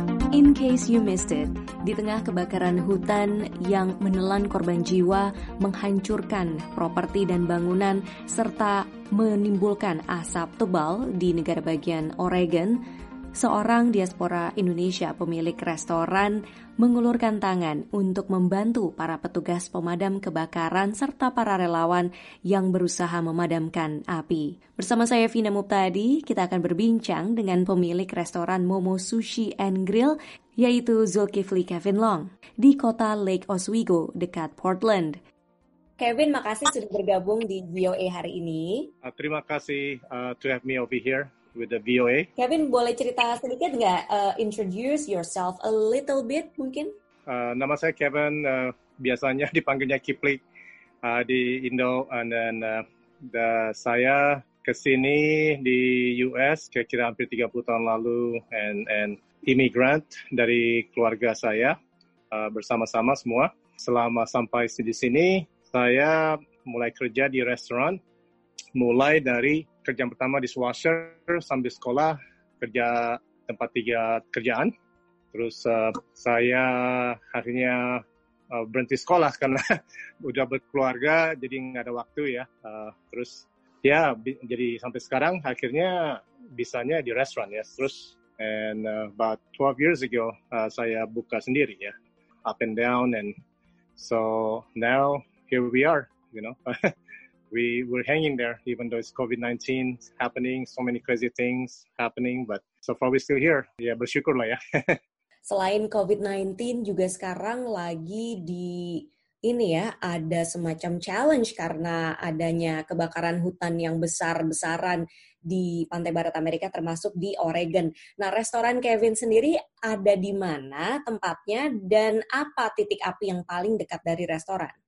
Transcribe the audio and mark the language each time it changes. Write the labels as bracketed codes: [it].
[id] In case you missed it, di tengah kebakaran hutan yang menelan korban jiwa, menghancurkan properti dan bangunan, serta menimbulkan asap tebal di negara bagian Oregon, seorang diaspora Indonesia pemilik restoran mengulurkan tangan untuk membantu para petugas pemadam kebakaran serta para relawan yang berusaha memadamkan api. Bersama saya Vina Mubtadi, kita akan berbincang dengan pemilik restoran Momo Sushi and Grill, yaitu Zulkifli Kevin Long, di kota Lake Oswego, dekat Portland. Kevin, makasih sudah bergabung di VOA hari ini. [en] Terima kasih to have me over here with the VOA. [id] Kevin, boleh cerita sedikit nggak? Introduce yourself a little bit, mungkin? Nama saya Kevin, biasanya dipanggilnya Kiplik di Indo, and then saya kesini di US kira-kira hampir 30 tahun lalu, and immigrant dari keluarga saya bersama-sama semua. Selama sampai di sini, saya mulai kerja di restoran, mulai dari kerjaan pertama di dishwasher sambil sekolah, kerja tempat tiga kerjaan. Terus saya akhirnya berhenti sekolah karena udah berkeluarga, jadi nggak ada waktu ya. Terus ya, jadi sampai sekarang akhirnya bisanya di restoran ya. [en] Terus and about 12 years ago saya buka sendiri ya, up and down, and so now here we are, you know. We were hanging there, even though it's COVID-19 happening, so many crazy things happening, but so far we're still here. [id] Ya, yeah, bersyukur lah ya. Selain COVID-19, juga sekarang lagi di ini ya, ada semacam challenge karena adanya kebakaran hutan yang besar-besaran di pantai barat Amerika, termasuk di Oregon. Nah, restoran Kevin sendiri ada di mana tempatnya, dan apa titik api yang paling dekat dari restoran?